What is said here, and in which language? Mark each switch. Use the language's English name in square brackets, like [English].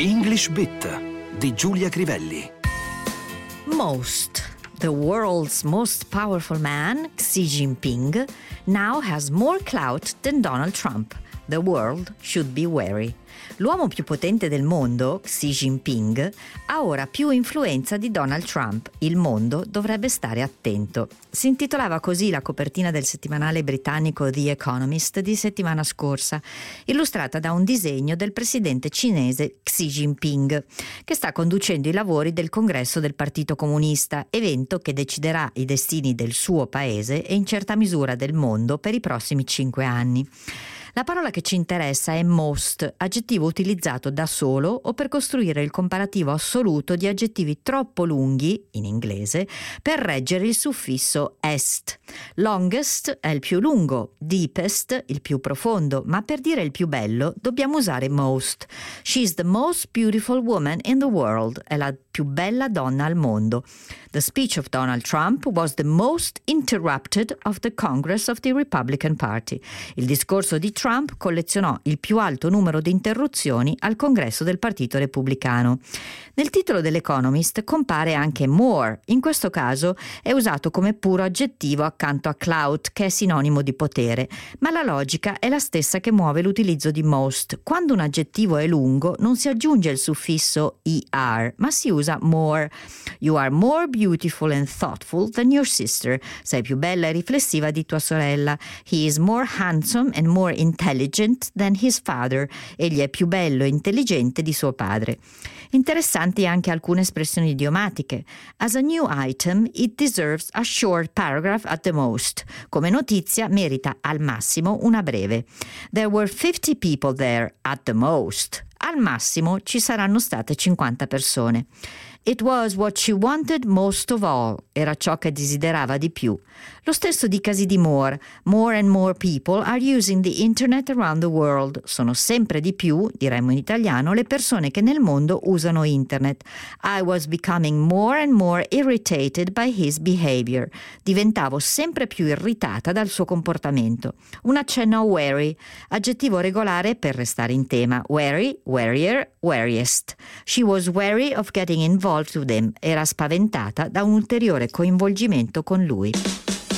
[Italian] Swedish Bit di Giulia Crivelli. [English] Most, the world's most powerful man, Xi Jinping, now has more clout than Donald Trump. The world should be wary. [Italian] L'uomo più potente del mondo, Xi Jinping, ha ora più influenza di Donald Trump. Il mondo dovrebbe stare attento. Si intitolava così la copertina del settimanale britannico The Economist di settimana scorsa, illustrata da un disegno del presidente cinese Xi Jinping, che sta conducendo i lavori del congresso del Partito Comunista, evento che deciderà i destini del suo paese e in certa misura del mondo per i prossimi 5 anni. La parola che ci interessa è most, aggettivo utilizzato da solo o per costruire il comparativo assoluto di aggettivi troppo lunghi, in inglese, per reggere il suffisso est. Longest è il più lungo, deepest il più profondo, ma per dire il più bello dobbiamo usare most. [English] She's the most beautiful woman in the world, [Italian] è la più bella donna al mondo. [English] The speech of Donald Trump was the most interrupted of the Congress of the Republican Party. [Italian] Il discorso di Trump collezionò il più alto numero di interruzioni al congresso del Partito Repubblicano. Nel titolo dell'Economist compare anche more. In questo caso è usato come puro aggettivo accanto a clout, che è sinonimo di potere. Ma la logica è la stessa che muove l'utilizzo di most. Quando un aggettivo è lungo, non si aggiunge il suffisso er, ma si usa more. [English] You are more beautiful and thoughtful than your sister. [Italian] Sei più bella e riflessiva di tua sorella. [English] He is more handsome and more intelligent than his father. [Italian] Egli è più bello e intelligente di suo padre. Interessanti anche alcune espressioni idiomatiche. [English] As a new item, it deserves a short paragraph at the most. [Italian] Come notizia, merita al massimo una breve. [English] There were 50 people there at the most. [Italian] Al massimo ci saranno state 50 persone. [English] It was what she wanted most of all. [Italian] Era ciò che desiderava di più. Lo stesso dicasi di more. [English] More and more people are using the internet around the world. [Italian] Sono sempre di più, diremmo in italiano, le persone che nel mondo usano internet. [English] I was becoming more and more irritated by his behavior. [Italian] Diventavo sempre più irritata dal suo comportamento. Un accenno a wary, aggettivo regolare per restare in tema. [English] Wary, warier, wariest. She was wary of getting involved with him. [Italian] Era spaventata da un ulteriore coinvolgimento con lui.